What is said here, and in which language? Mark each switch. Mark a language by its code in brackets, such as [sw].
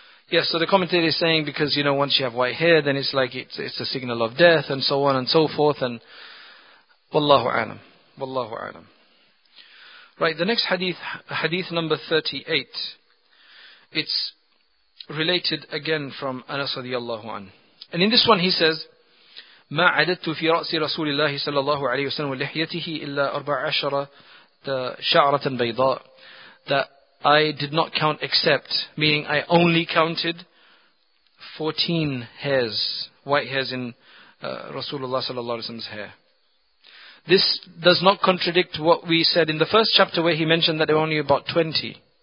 [en] Yes, so the commentator is saying, because, you know, once you have white hair, then it's like it's a signal of death and so on and so forth. And wallahu a'lam. Wallahu a'lam. Right, the next hadith number 38. It's related again from Anas radiallahu anhu. And in this one he says, [ar] مَا عَدَدْتُ فِي رَأْسِ رَسُولِ اللَّهِ صَلَى اللَّهُ عَلَيْهِ وَسَلَمُ وَلِحْيَتِهِ إِلَّا أَرْبَعَ عَشَرَ شَعْرَةً بَيْضَاءً. [en] That I did not count except, meaning I only counted 14 hairs, white hairs in Rasulullah صلى الله عليه وسلم's hair. This does not contradict what we said in the first chapter where he mentioned that there were only about 20.